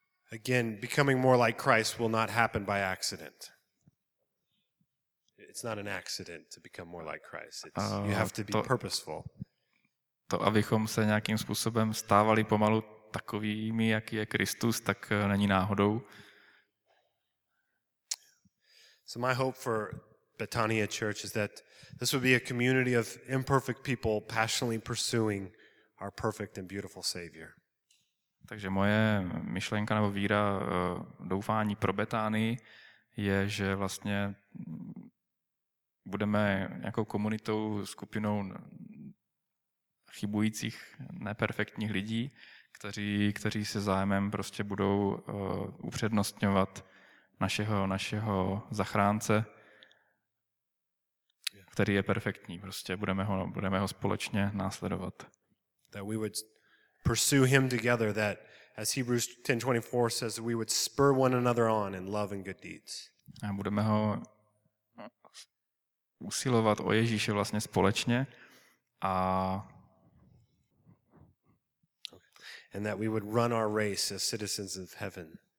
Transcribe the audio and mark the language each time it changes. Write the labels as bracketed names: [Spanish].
[English] Again, becoming more like Christ will not happen by accident. It's not an accident to become more like Christ. You have to be purposeful. [Czech] To, abychom se nějakým způsobem stávali pomalu takovými, jaký je Kristus, tak není náhodou. [English] So my hope for Betania Church is that this would be a community of imperfect people passionately pursuing our perfect and beautiful Savior. [Czech] Takže moje myšlenka nebo víra, doufání pro Betánii je, že vlastně budeme nějakou komunitou, skupinou chybujících, neperfektních lidí, kteří se zájmem prostě budou upřednostňovat našeho zachránce, který je perfektní. Prostě budeme ho společně následovat. [English] That we would pursue him together, that as Hebrews 10:24 says, we would spur one another on in love and good deeds. [Czech] A budeme ho usilovat o Ježíše vlastně společně a [English] and that we would run our race as citizens of heaven.